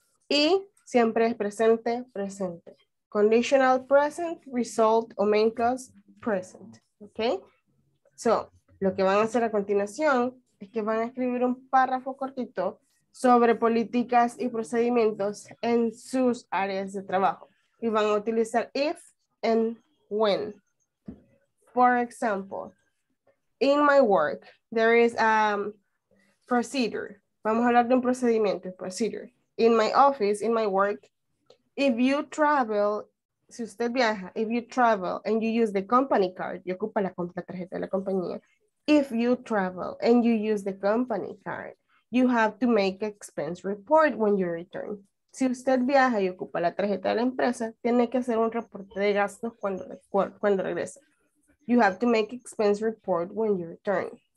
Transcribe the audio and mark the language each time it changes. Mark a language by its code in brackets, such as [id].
[es] Y siempre es presente, presente. [en] Conditional present, result o main clause, present. Okay? [es] So, lo que van a hacer a continuación es que van a escribir un párrafo cortito sobre políticas y procedimientos en sus áreas de trabajo. Y van a utilizar if and when. [en] For example, in my work, there is a procedure. [es] Vamos a hablar de un procedimiento, [en] procedure. In my office, in my work, if you travel, [es] si usted viaja, [en] if you travel and you use the company card, [es] y ocupa la tarjeta de la compañía, [en] if you travel and you use the company card, you have to make expense report when you return. [es] Si usted viaja y ocupa la tarjeta de la empresa, tiene que hacer un reporte de gastos cuando regresa. [en] You have to make expense report when you return.